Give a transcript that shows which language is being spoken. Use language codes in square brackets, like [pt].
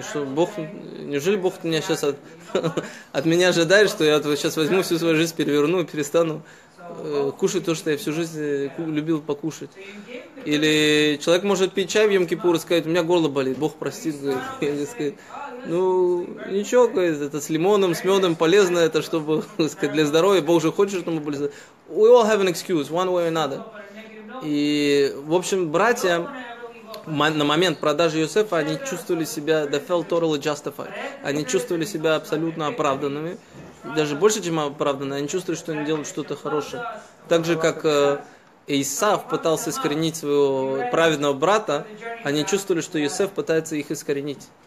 [ru] Что, Бог, неужели Бог меня сейчас от меня ожидает, что я сейчас возьму всю свою жизнь, переверну и перестану кушать то, что я всю жизнь любил покушать. Или человек может пить чай в Йом-Кипур и сказать, у меня горло болит, Бог простит. Говорит, ну, ничего, говорит, это с лимоном, с медом полезно, это чтобы сказать, для здоровья, Бог же хочет, чтобы мы были здоровы. [en] We all have an excuse, one way or another. [ru] И, в общем, братья на момент продажи Йосефа, они чувствовали себя, [en] they felt totally justified. [ru] Они чувствовали себя абсолютно оправданными. Даже больше, чем оправданно, они чувствовали, что они делают что-то хорошее. Так же, как Исав пытался искоренить своего праведного брата, они чувствовали, что Йосеф пытается их искоренить.